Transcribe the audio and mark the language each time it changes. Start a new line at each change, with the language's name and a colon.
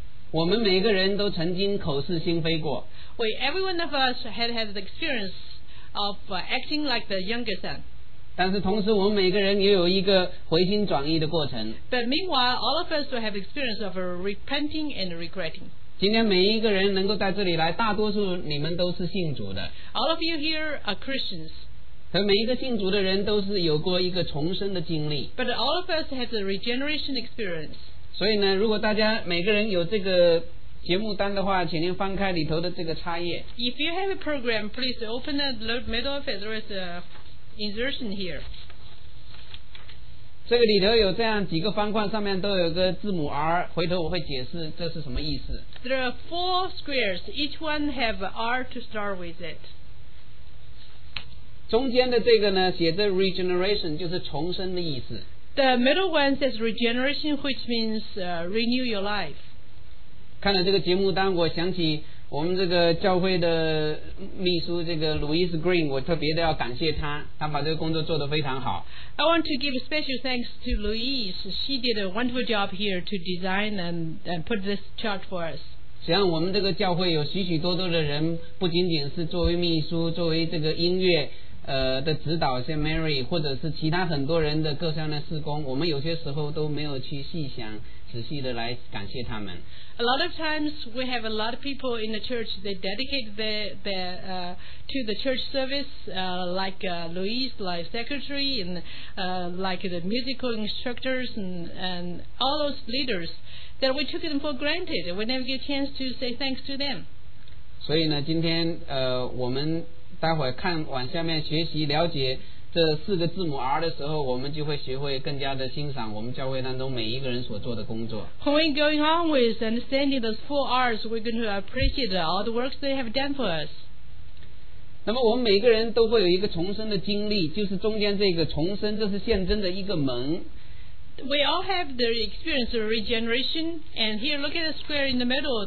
Chinese: 我们每一个人都曾经口是心非过。
English: Every one of us had the experience of acting like the younger son.
Chinese: 但是同时我们每个人也有一个回心转意的过程。
English: But meanwhile, all of us will have experience of repenting and regretting.
Chinese: 今天每一个人能够在这里来，大多数你们都是信主的。
English: All of you here are Christians.
Chinese: 可每一个信主的人都是有过一个重生的经历。
English: But all of us have a regeneration experience.
Chinese: 所以呢，如果大家每个人有这个节目单的话，请您翻开里头的这个插页。
English: If you have a program, please open the middle of it. There is a... insertion here.
Chinese: 这个里头有这样几个方块，上面都有个字母 R， 回头我会解释这是什么意思。
English: There are four squares. Each one have R to start with it.
Chinese: 中间的这个呢，写着 regeneration， 就是重生的意思。
English: The middle one says regeneration, which means renew your life.
Chinese: 看了这个节目单，我想起我们这个教会的秘书这个 Louise Green， 我特别的要感谢他，他把这个工作做得非常好。
English: I want to give a special thanks to Louise. She did a wonderful job here to design and put this chart for us.
Chinese: 实际上我们这个教会有许许多多的人，不仅仅是作为秘书，作为这个音乐的指导，像 Mary 或者是其他很多人的各项的事工，我们有些时候都没有去细想仔细的来感谢他们。
English: A lot of times we have a lot of people in the church. They dedicate their to the church service, like Louise, like secretary, and like the musical instructors and all those leaders that we took them for granted. We never get a chance to say thanks to them.
Chinese: 所以呢，今天我们待会看往下面学习了解这四个字母 R 的时候，我们就会学会更加的欣赏我们教会当中每一个人所做的工作。
English: When we're going on with understanding those four R's, we're going to appreciate all the works they have done for us.
Chinese: 那么我们每个人都会有一个重生的经历，就是中间这个重生，这是现真的一个门。
English: We all have the experience of regeneration, and here, look at the square in the middle.